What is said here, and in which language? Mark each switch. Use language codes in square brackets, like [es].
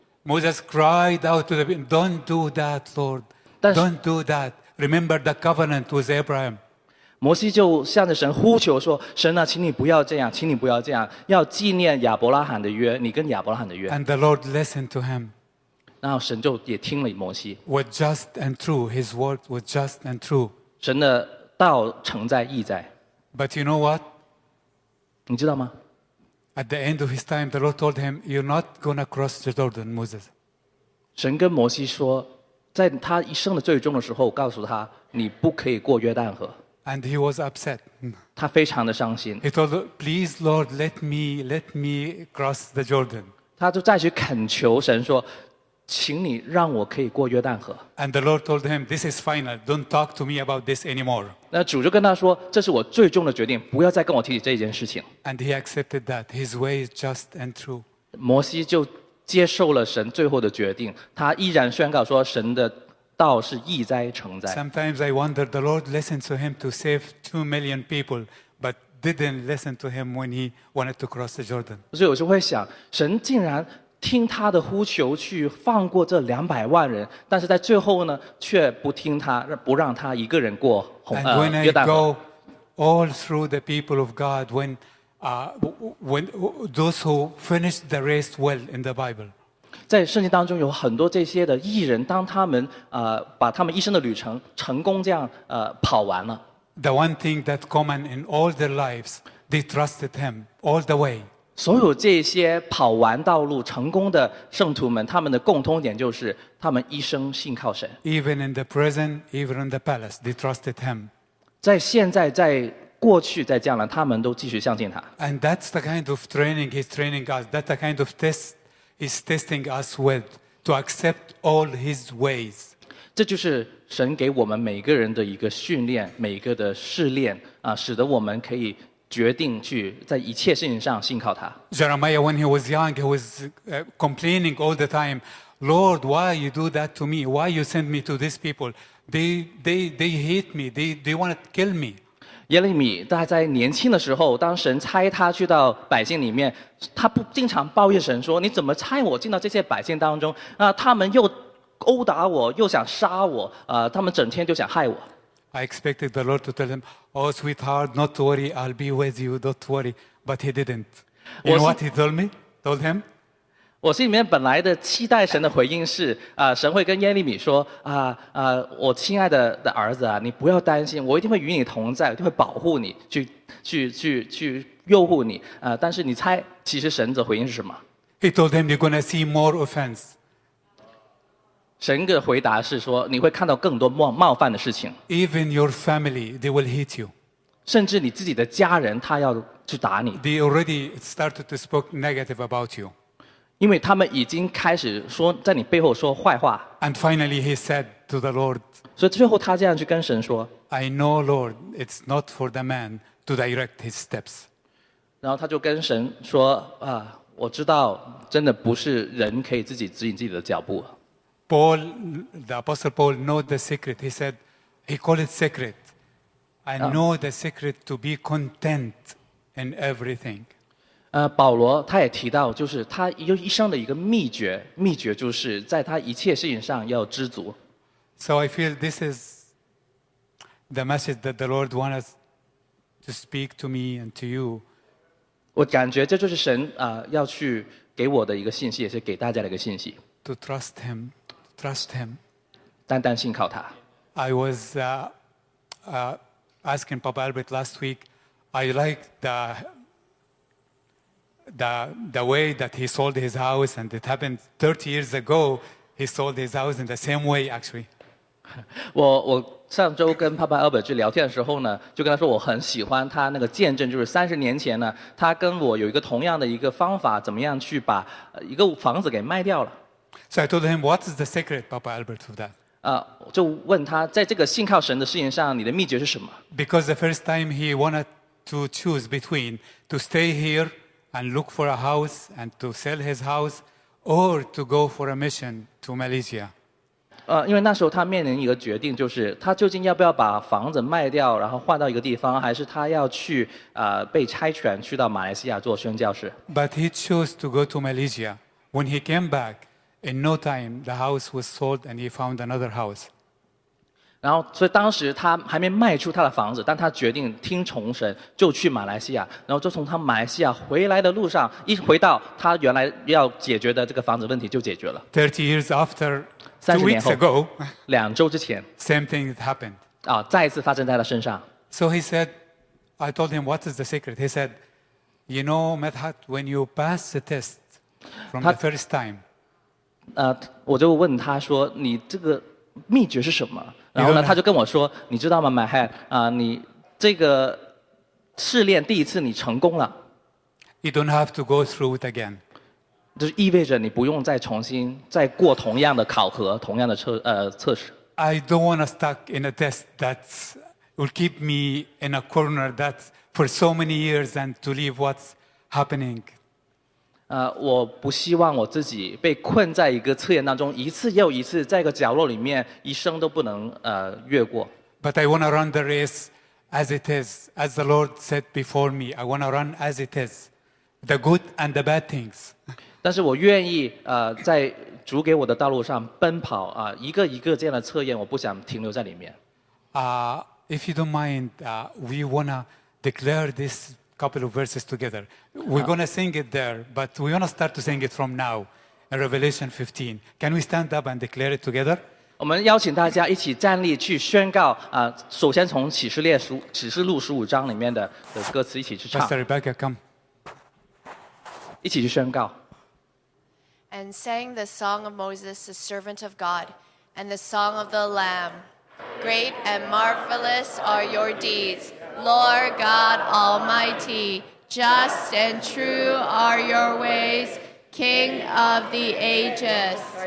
[en] Moses cried out to the people, "Don't do that, Lord. Don't do that. Remember the covenant with Abraham." [zh] 摩西就向着神呼求说，神啊，请你不要这样，请你不要这样，要纪念亚伯拉罕的约，你跟亚伯拉罕的约。 [en] And the Lord listened to him. [zh] 然后神就也听了摩西。 [en] Was just and true, his word was just and true. [zh] 神的道诚在义在。 [en] But you know what? [zh] 你知道吗？ [en] At the end of his time, the Lord told him, "You're not gonna cross the Jordan, Moses." [zh] 神跟摩西说，在他一生的最终的时候，告诉他，你不可以过约旦河。 [en] And he was upset. [zh] 他非常的伤心。 [en] He told, "Please, Lord, let me cross the Jordan." [zh] 他就再去恳求神说，请你让我可以过约旦河。 [en] And the Lord told him, "This is final. Don't talk to me about this anymore." [zh] 那主就跟他说，这是我最终的决定，不要再跟我提起这件事情。 [en] And he accepted that his way is just and true. [zh] 摩西就接受了神最后的决定，他依然宣告说，神的道是义哉成哉。 [en] Sometimes I wonder the Lord listened to him to save 2 million people, but didn't listen to him when he wanted to cross the Jordan. [zh] 所以我就会想，神竟然听他的呼求去放过这200万人，但是在最后呢，却不听他，不让他一个人过约旦河。 [en] And when I go all through the people of God, when those who finished the race well in the Bible. [zh] 在圣经当中有很多这些的义人，当他们把他们一生的旅程成功这样跑完了。 [en] The one thing that's common in all their lives, they trusted him all the way. [zh] 所有这些跑完道路成功的圣徒们，他们的共通点就是他们一生信靠神。 [en] Even in the present, even in the palace, they trusted him. [zh] 在现在，在过去，在将来，他们都继续相信他。 [en] And that's the kind of training he's training us. That's the kind of test he's testing us with to accept all his ways. [zh] 这就是神给我们每个人的一个训练，每个的试炼啊，使得我们可以。决定去在一切事情上信靠他。 [en] Jeremiah, when he was young, he was complaining all the time, "Lord, why you do that to me? Why you send me to these people? They hate me. They want to kill me." [zh] 耶利米他在年轻的时候，当神差他去到百姓里面，他不经常抱怨神说：“你怎么差我进到这些百姓当中？啊，他们又殴打我，又想杀我，他们整天就想害我。” [en] I expected the Lord to tell him. Oh, sweetheart, not to worry, I'll be with you, don't worry. But he didn't. You know what he told me? Told him? [zh] 我心里面本来的期待神的回应是，神会跟耶利米说，我亲爱的儿子啊，你不要担心，我一定会与你同在，一定会保护你，去诱惑你。但是你猜，其实神的回应是什么？ [en] He told him, you're going to see more offense. [zh] 神的回答是说，你会看到更多冒犯的事情。 [en] Even your family, they will hit you. [zh] 甚至你自己的家人，他要去打你。 [en] They already started to speak negative about you. [zh] 因为他们已经开始说在你背后说坏话。 [en] And finally, he said to the Lord. [zh] 所以最后他这样去跟神说。 [en] I know, Lord, it's not for the man to direct his steps. [zh] 然后他就跟神说啊，我知道，真的不是人可以自己指引自己的脚步。 [en] Paul, the Apostle Paul, know the secret. He said, he called it secret. I know the secret to be content in everything. [zh] 保罗他也提到，就是他一生的一个秘诀就是在他一切事情上要知足。 [en] So I feel this is the message that the Lord wants to speak to me and to you. [zh] 我感觉这就是神要去给我的一个信息，也是给大家的一个信息。 [en] To trust him. Trust him. [zh] 单单信靠他。 [en] I was asking Papa Albert last week. I like the way that he sold his house, and it happened 30 years ago. He sold his house in the same way, actually. [zh] 我上周跟 Papa Albert 去聊天的时候呢，就跟他说我很喜欢他那个见证，就是30年前呢，他跟我有一个同样的一个方法，怎么样去把一个房子给卖掉了。 [en] So I told him, "What is the secret, Papa Albert, of that?" [zh] 就问他在这个信靠神的事情上，你的秘诀是什么 [en] ？Because the first time he wanted to choose between to stay here and look for a house and to sell his house, or to go for a mission to Malaysia. [zh] 因为那时候他面临一个决定，就是他究竟要不要把房子卖掉，然后换到一个地方，还是他要去被差遣去到马来西亚做宣教士 [en] ？But he chose to go to Malaysia. When he came back. In no time, the house was sold, and he found another house. [zh] 然后，所以当时他还没卖出他的房子，但他决定听从神，就去马来西亚。然后，就从他马来西亚回来的路上，一回到他原来要解决的这个房子问题就解决了。 [en] 30 years after, 2 weeks ago, [zh] 两周之前 [en] ，same thing happened. [zh] 再一次发生在他身上。 [en] So he said, "I told him what is the secret." He said, "You know, Madhat, when you pass the test from the first time." [zh] 我就问他说你这个秘诀是什么然后呢他就跟我说你知道吗 My Han、你这个试炼第一次你成功了 [en] You don't have to go through it again [zh] 就是意味着你不用再重新再过同样的考核，同样的测试。 [en] I don't want to stuck in a test that will keep me in a corner that for so many years and to leave what's happening. [zh] 我不希望我自己被困在一个测验当中，一次又一次，在一个角落里面，一生都不能越过。 [en] But I want to run the race as it is, as the Lord said before me. I want to run as it is, the good and the bad things. [zh] 但是我愿意在主给我的道路上奔跑一个一个这样的测验，我不想停留在里面。 [en] If you don't mind, we wanna declare this couple of verses together. We're gonna sing it there, but we wanna start to sing it from now, in Revelation 15. Can we stand up and declare it together? [zh] 我们邀请大家一起站立去宣告首先从启示录十五章里面的歌词一起去唱。 [en] Pastor Rebecca, come. [zh] 一起去宣告。 [en] And sang the song of Moses, the servant of God, and the song of the Lamb. Great and marvelous are your deeds, Lord God Almighty. Just and true are your ways, King of the ages.